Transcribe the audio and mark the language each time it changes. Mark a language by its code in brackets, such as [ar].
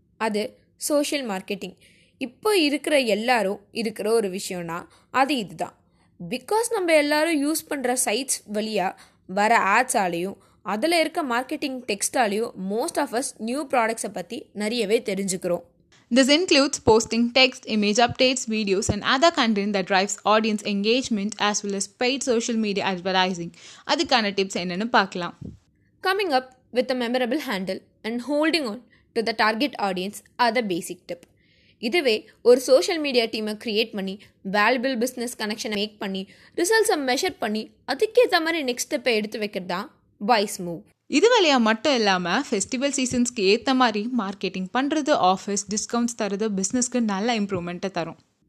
[ta] அது social marketing. இப்போ இருக்கிற எல்லாரும் இருக்கிற ஒரு விஷயம்னா அது இதுதான். பிகாஸ் நம்ம எல்லாரும் யூஸ் பண்ணுற சைட்ஸ் வழியாக வர ஆட்ஸாலேயும் அதில் இருக்க marketing டெக்ஸ்டாலேயும் [en] most of us [ta] new ப்ராடக்ட்ஸை பற்றி நிறையவே தெரிஞ்சுக்கிறோம். [en] This includes posting text, image updates, videos and other content that drives audience engagement as well as paid social media advertising. [ta] அதுக்கான டிப்ஸ் என்னென்னு பார்க்கலாம். [en] Coming up with a memorable handle and holding on to the target audience are the basic tip. [ta] இதுவே ஒரு social media டீமை create பண்ணி, valuable business கனெக்ஷனை make பண்ணி, ரிசல்ட்ஸை measure பண்ணி அதுக்கேற்ற மாதிரி நெக்ஸ்ட் ஸ்டெப்பை எடுத்து வைக்கிறது தான் வாய்ஸ் மூவ். இது வழியாக மட்டும் இல்லாமல் ஃபெஸ்டிவல் சீசன்ஸ்க்கு ஏற்ற மாதிரி மார்க்கெட்டிங் பண்ணுறது, ஆஃபீஸ் டிஸ்கவுண்ட்ஸ் தரது பிஸ்னஸ்க்கு நல்ல இம்ப்ரூவ்மெண்ட்டை தரும்.